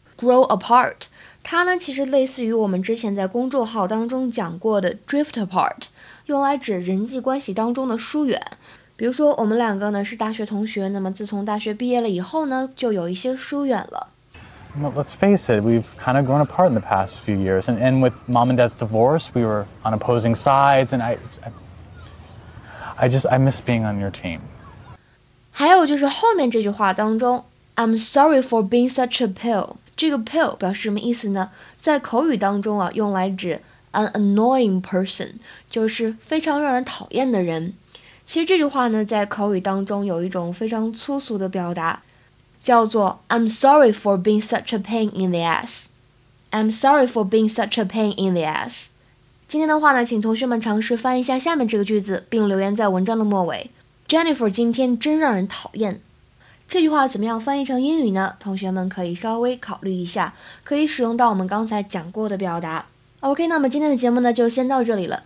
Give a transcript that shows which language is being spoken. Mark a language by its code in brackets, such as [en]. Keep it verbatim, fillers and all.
[zh] grow apart， 它呢其实类似于我们之前在公众号当中讲过的 drift apart， 用来指人际关系当中的疏远。比如说我们两个呢是大学同学，那么自从大学毕业了以后呢，就有一些疏远了。 [en] Well, let's face it, we've kind of grown apart in the past few years. And, and with Mom and Dad's divorce, we were on opposing sides. And I, I, I just, I miss being on your team. [zh] 还有就是后面这句话当中 [en] I'm sorry for being such a pill. [zh] 这个 pill 表示什么意思呢？在口语当中啊，用来指 [en] an annoying person， [zh] 就是非常让人讨厌的人。其实这句话呢，在口语当中有一种非常粗俗的表达，叫做 [en] I'm sorry for being such a pain in the ass. I'm sorry for being such a pain in the ass. [zh] 今天的话呢，请同学们尝试翻译一下下面这个句子，并留言在文章的末尾。 Jennifer 今天真让人讨厌。这句话怎么样翻译成英语呢？同学们可以稍微考虑一下，可以使用到我们刚才讲过的表达。 OK， 那么今天的节目呢，就先到这里了。